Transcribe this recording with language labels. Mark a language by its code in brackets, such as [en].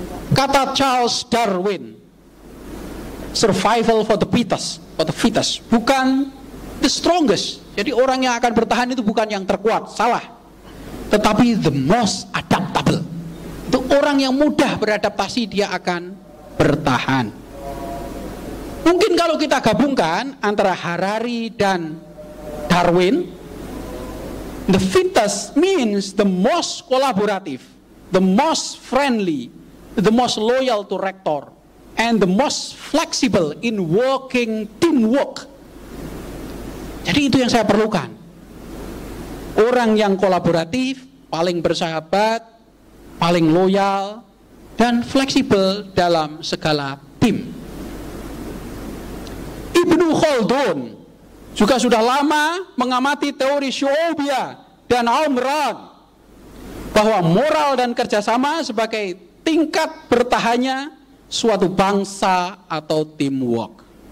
[en] Kata Charles Darwin, survival for the fittest, bukan the strongest. [id] Jadi orang yang akan bertahan itu bukan yang terkuat, salah. Tetapi [en] the most adaptable. [id] Itu orang yang mudah beradaptasi, dia akan bertahan. Mungkin kalau kita gabungkan antara Harari dan Darwin, [en] the fittest means the most collaborative, the most friendly, the most loyal to rector, and the most flexible in working teamwork. [id] Jadi itu yang saya perlukan. Orang yang kolaboratif, paling bersahabat, paling loyal, dan fleksibel dalam segala tim. Ibnu Khaldun juga sudah lama mengamati teori Shu'obia dan Omran bahwa moral dan kerjasama sebagai tingkat bertahannya suatu bangsa atau teamwork.